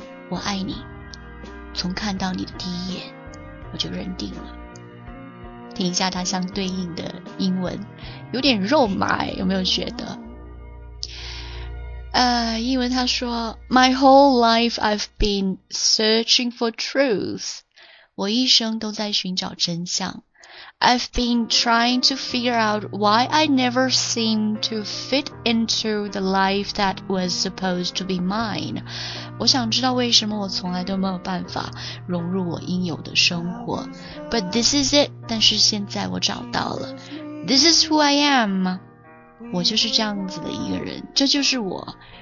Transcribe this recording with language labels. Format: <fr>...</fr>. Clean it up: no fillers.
<zh>我爱你，从看到你的第一眼我就认定了。听一下它相对应的英文，有点肉麻，有没有觉得？英文他说，</zh> <en>My whole life I've been searching for truth.</en> <zh>我一生都在寻找真相。</zh> <en>I've been trying to figure out why I never seem to fit into the life that was supposed to be mine.</en> <zh>我想知道为什么我从来都没有办法融入我应有的生活。</zh> <en>But this is it.</en> <zh>但是现在我找到了。</zh> <en>This is who I am.</en> <zh>我就是这样子的一个人，这就是我。</zh>